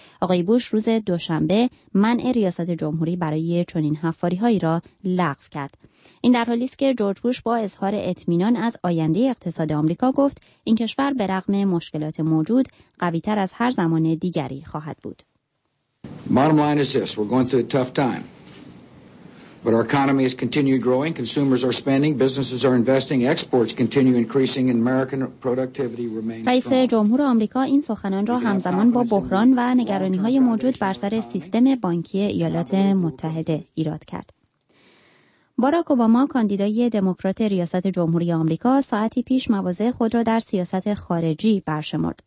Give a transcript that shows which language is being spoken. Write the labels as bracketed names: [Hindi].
[Persian] آقای بوش روز دوشنبه منع ریاست جمهوری برای چنین حفاری‌هایی را لغو کرد. این در حالی است که جورج بوش با اظهار اطمینان از آینده اقتصاد آمریکا گفت این کشور به رغم مشکلات موجود قوی تر از هر زمان دیگری خواهد بود. [English] Bottom line is this, we're going through a tough time. But our economy is continuing growing, consumers are spending, businesses are investing, exports continue increasing and American productivity remains strong. [Persian] رئیس جمهور آمریکا این سخنان را همزمان با بحران و نگرانی‌های موجود بر سر سیستم بانکی ایالات متحده ایراد کرد. باراک اوباما کاندیدای دموکرات ریاست جمهوری آمریکا ساعتی پیش مواضع خود را در سیاست خارجی برشمرد.